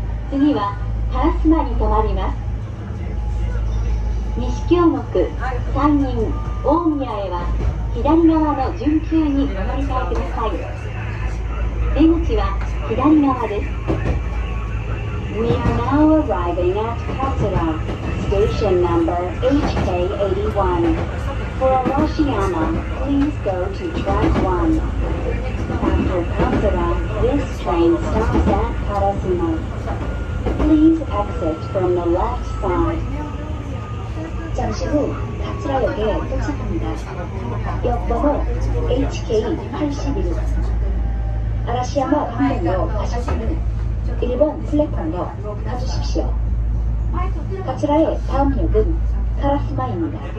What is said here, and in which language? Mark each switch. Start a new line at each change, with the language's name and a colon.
Japanese: 次は烏丸に停まります。西京極、山陰、大宮へは左側の順急に乗り換えください。出口は左側です。
English: We are now arriving at Katsura, station number HK81. For Arashiyama, please go to track 1. After Katsura, this train stops at Karasuma. Please exit from the left side.
Korean: 잠시 후 카츠라역에 도착합니다. 역번호 HK81. 아라시야마 방면으로 가실 때는 1번 플랫폼으로 가주십시오. 카츠라의 다음 역은 카라스마입니다.